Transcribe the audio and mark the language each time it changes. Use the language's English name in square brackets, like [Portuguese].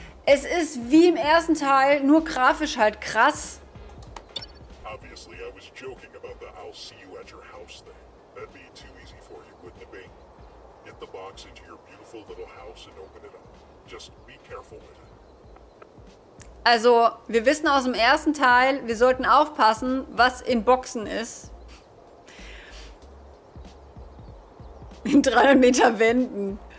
[German] Es ist wie im ersten Teil, nur grafisch halt krass. [English] Obviously I was joking about the I'll see you at your house thing. That'd be too easy for you, wouldn't it be? Get the box into your beautiful little house and open it up. Just be careful with it. [German] Also, wir wissen aus dem ersten Teil, wir sollten aufpassen, was in Boxen ist. In 300 Meter Wänden.